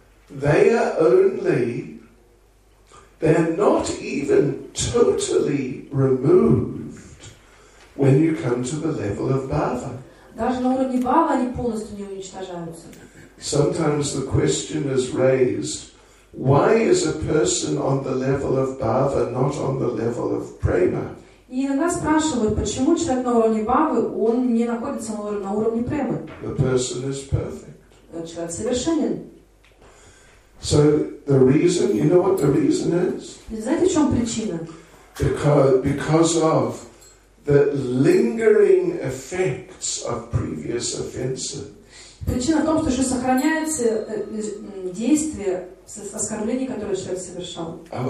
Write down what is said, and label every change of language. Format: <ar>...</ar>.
<en>They are only, they're not even totally removed when you come to the level of bhava.</en> <ru>Даже на уровне бхавы они полностью не уничтожаются.</ru> <en>Sometimes the question is raised, why is a person on the level of bhava, not on the level of prema?</en> <ru>И иногда спрашивают, почему человек на уровне бхавы, он не находится на уровне премы?</ru> <en>The person is perfect.</en> <ru>Человек совершенен.</ru> <en>So the reason, you know what the reason is?</en> <ru>Знаете, в чем причина?</ru> <en>Because of the lingering effects of previous offenses.</en> <ru>Причина в том, что еще сохраняется действие оскорблений, которые человек совершал.</ru>